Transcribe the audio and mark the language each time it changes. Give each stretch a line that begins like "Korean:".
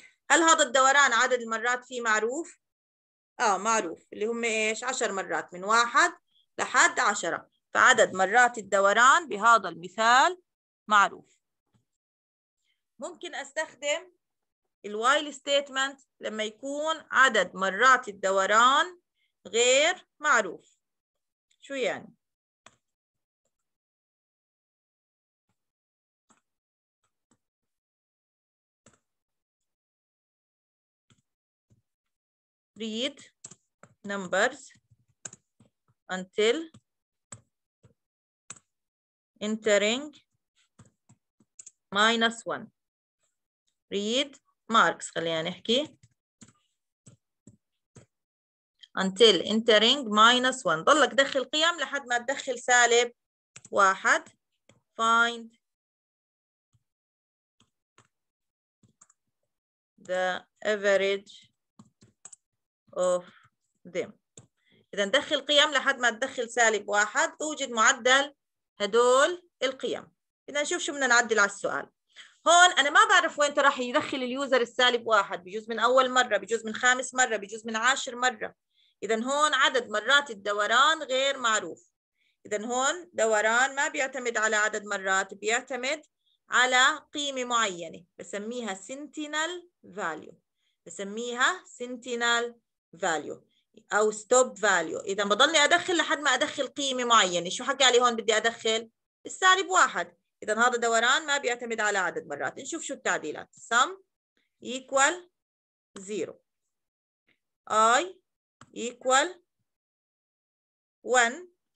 Arabic: هل هذا الدوران عدد المرات فيه معروف؟ معروف، اللي هم إيش؟ عشر مرات من واحد لحد عشرة. فعدد مرات الدوران بهذا المثال معروف. ممكن أستخدم الوايل ستيتمنت لما يكون عدد مرات الدوران غير معروف. شو يعني؟
English: read numbers until entering minus one. read marks
Arabic: خلينا نحكي
English: until entering minus one.
Arabic: ضلك دخل قيم لحد ما تدخل سالب واحد.
English: find the average of them.
Arabic: إذا ندخل قيم لحد ما تدخل سالب واحد توجد معدل هدول القيم. إذا نشوف شو بدنا نعدل على السؤال. هون أنا ما بعرف وين راح يدخل اليوزر السالب واحد، بجوز من أول مرة، بجوز من خامس مرة، بجوز من عاشر مرة. إذا هون عدد مرات الدوران غير معروف. إذا هون دوران ما بيعتمد على عدد مرات، بيعتمد على قيمة معينة بسميها sentinel value. بسميها sentinel value أو stop value. إذا بضلني أدخل لحد ما أدخل قيمة معينة، شو حكى لي هون بدي أدخل السالب واحد. إذا هذا دوران ما بيعتمد على عدد مرات. نشوف شو التعديلات.
English: sum equal zero. I equal one.